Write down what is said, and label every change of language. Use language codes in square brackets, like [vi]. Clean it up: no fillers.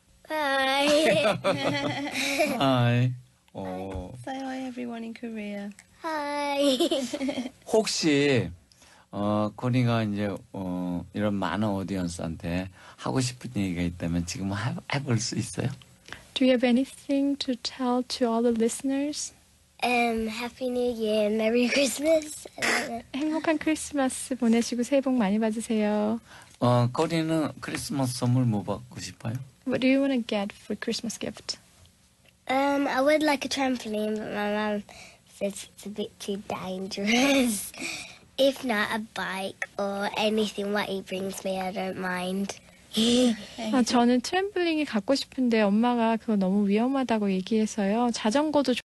[en] Hi. Hi. Oh. Say hi everyone in Korea. Hi. [ko] 혹시 코니가 이제 이런 많은 오디언스한테 하고 싶은 얘기가 있다면 지금 해볼 수 있어요? [en] Do you have anything to tell to all the listeners? Happy New Year, Merry Christmas. [ko] 행복한 크리스마스 보내시고 새해 복 많이 받으세요. 코니는 크리스마스 선물 뭐 받고 싶어요? [en] What do you want to get for Christmas gift? I would like a trampoline, but my mom says it's a bit too dangerous. If not, a bike or anything what he brings me, I don't mind. [ko] 아, 저는 트램블링이 갖고 싶은데 엄마가 그거 너무 위험하다고 얘기해서요. 자전거도